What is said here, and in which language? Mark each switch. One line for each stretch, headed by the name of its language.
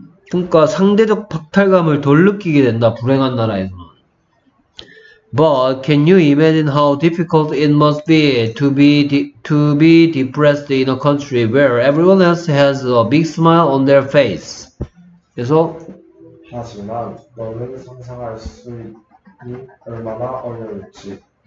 Korean: 그러니까 상대적 박탈감을 덜 느끼게 된다, 불행한 나라에서는.
English: But can you imagine how difficult it must be to be depressed in a country where everyone else has a big smile on their face?
Korean: 그래서? 하지만 너는 상상할 수 있니 얼마나 어려울지.